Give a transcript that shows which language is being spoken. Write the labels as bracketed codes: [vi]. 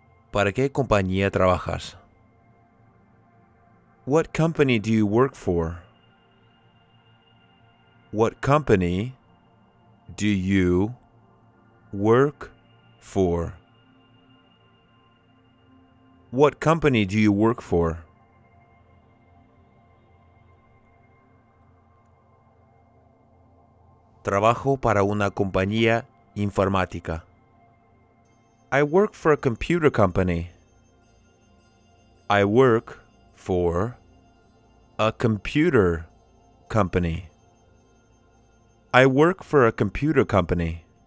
[es] ¿Para qué compañía trabajas? [en] What company do you work for? What company do you work for? What company do you work for? [es] Trabajo para una compañía informática. [en] I work for a computer company. I work for a computer company. I work for a computer company.